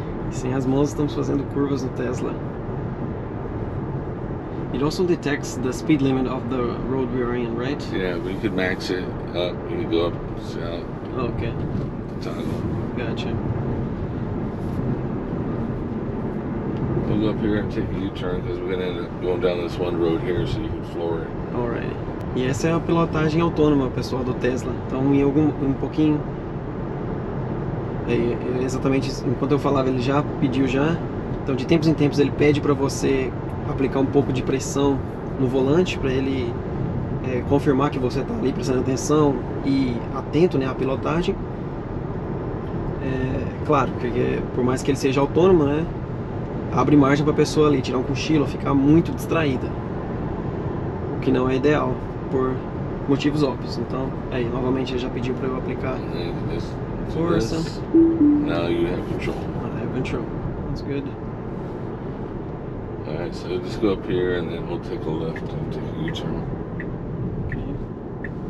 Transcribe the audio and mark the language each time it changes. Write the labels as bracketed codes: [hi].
[pt] Sim, as mãos estão fazendo curvas no Tesla. [en] It also detects the speed limit of the road we're in, right? Yeah, we could max it up. You can go up, south. Okay. Toggle. Gotcha. We'll go up here and take a U-turn because we're going to end up going down this one road here so you can floor it. [pt] Alright. E essa é a pilotagem autônoma, pessoal, do Tesla. Então, em algum pouquinho. Exatamente, enquanto eu falava, ele já pediu já. Então, de tempos em tempos, ele pede para você aplicar um pouco de pressão no volante para ele confirmar que você está ali prestando atenção e atento, né, à pilotagem. Claro, porque por mais que ele seja autônomo, né, abre margem para a pessoa ali tirar um cochilo, ficar muito distraída, o que não é ideal por motivos óbvios. Então, aí, novamente, ele já pediu para eu aplicar força. [en] Now you have control. I have control. That's good. Alright, so just go up here and then we'll take a left and take a U-turn. Okay.